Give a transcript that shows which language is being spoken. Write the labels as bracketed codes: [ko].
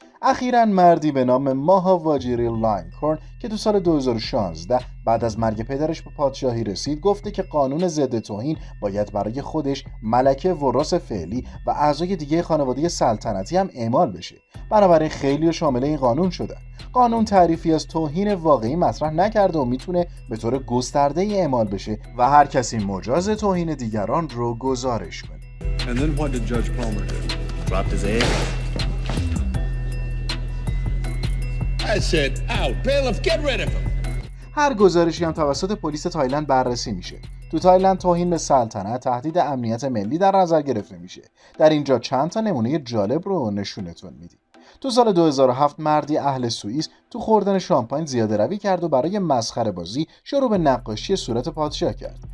[fa] اخیراً مردی به نام ماها واجیری لاینکورن که تو سال 2016 بعد از مرگ پدرش به پادشاهی رسید، گفته که قانون ضد توهین باید برای خودش، ملکه وراث فعلی و اعضای دیگه خانواده سلطنتی هم اعمال بشه. بنابراین خیلی شامل این قانون شدن. قانون تعریفی از توهین واقعی مطرح نکرده و میتونه به طور گسترده ای اعمال بشه و هر کسی مجاز توهین دیگران رو گزارش کنه. [en] And then what did Judge Palmer do? Dropped his head. I said, "Out, bailiff, get rid of him." [fa] هر گزارشی هم توسط پلیس تایلند بررسی میشه. تو تایلند توهین به سلطنت تهدید امنیت ملی در نظر گرفته میشه. در اینجا چند تا نمونه جالب رو نشونتون میدیم. تو سال 2007 مردی اهل سوئیس تو خوردن شامپاین زیاده روی کرد و برای مسخره بازی شروع به نقاشی صورت پادشاه کرد.